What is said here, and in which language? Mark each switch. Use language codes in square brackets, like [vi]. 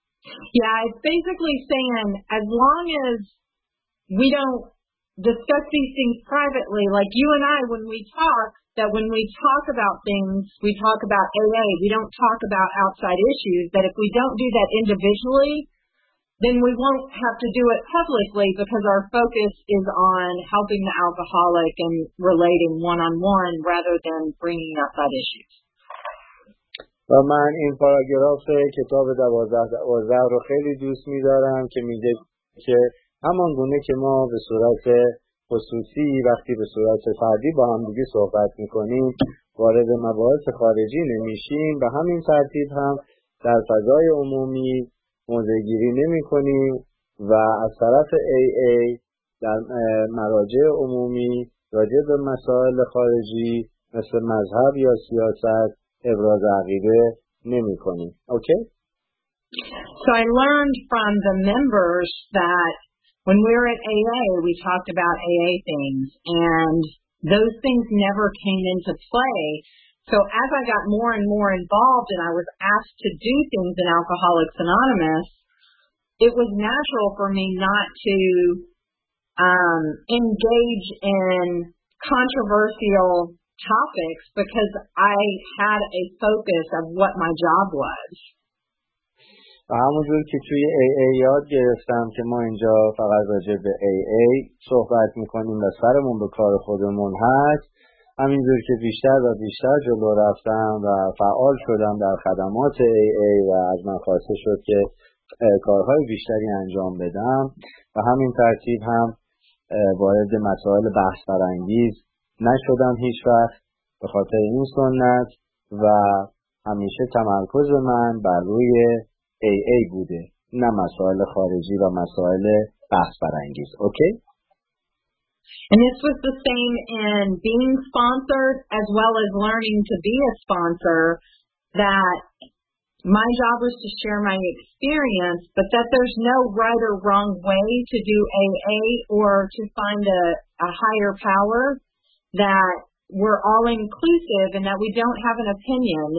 [en] Yeah, it's basically saying as long as we don't discuss these things privately, like you and I, when we talk, that when we talk about things, we talk about AA, we don't talk about outside issues, that if we don't do that individually, then we won't have to do it publicly because our focus is on helping the alcoholic and relating one-on-one rather than bringing up that issue. [fa] و من این پاراگراف کتاب 12 رو خیلی دوست می‌دارم که میگه که همان گونه که ما به صورت خصوصی وقتی به صورت فردی با هم دیگه صحبت می‌کنیم وارد مباحث خارجی نمی‌شیم، به همین ترتیب هم در فضای عمومی موضع‌گیری نمی‌کنیم و از طرف AA در مراجع عمومی راجع به مسائل خارجی مثل مذهب یا سیاست ابراز عقیده نمی کنی. [en] Okay? So I learned from the members that when we were at AA, we talked about AA things, and those things never came into play. So as I got more and more involved and I was asked to do things in Alcoholics Anonymous, it was natural for me not to engage in controversial topics because I had a focus of what my job was. [fa] همونجور که توی AA یاد گرفتم که ما اینجا فقط راجع به AA صحبت میکنیم و سرمون به کار خودمون هست، همینجور که بیشتر و بیشتر جلو رفتم و فعال شدم در خدمات AA و از من خواسته شد که کارهای بیشتری انجام بدم و همین ترتیب هم وارد مسائل بحث برانگیز نشدم هیچ وقت به خاطر این سنت و همیشه تمرکز من بر روی AA بوده نه مسائل خارجی و مسائل بحث برانگیز. [en] Okay? And this was the same in being sponsored as well as learning to be a sponsor, that my job was to share my experience, but that there's no right or wrong way to do AA or to find a higher power, that we're all inclusive and that we don't have an opinion.